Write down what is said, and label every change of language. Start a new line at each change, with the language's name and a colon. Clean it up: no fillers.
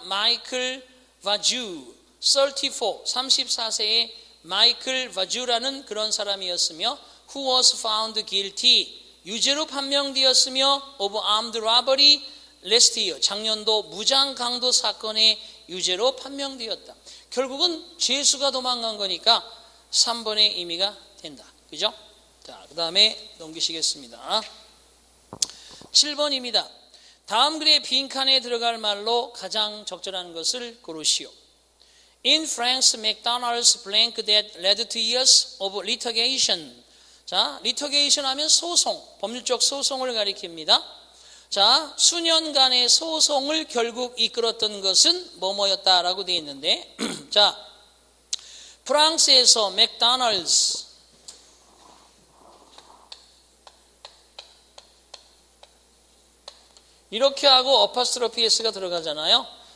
Korean: 마이클 바주, 34세의 마이클 바주라는 그런 사람이었으며
English: who was found guilty,
Korean: 유죄로 판명되었으며
English: of armed robbery last year,
Korean: 작년도 무장 강도 사건의 유죄로 판명되었다. 결국은 죄수가 도망간 거니까 3번의 의미가 된다. 그죠? 자, 그 다음에 넘기시겠습니다. 7번입니다. 다음 글의 빈칸에 들어갈 말로 가장 적절한 것을 고르시오.
English: In France, McDonald's blank that led to years of litigation.
Korean: 자, litigation 하면 소송, 법률적 소송을 가리킵니다. 자, 수년간의 소송을 결국 이끌었던 것은 뭐뭐였다라고 되어 있는데, 자, 프랑스에서 맥도날드스 이렇게 하고 어파스트로피에스가 들어가잖아요.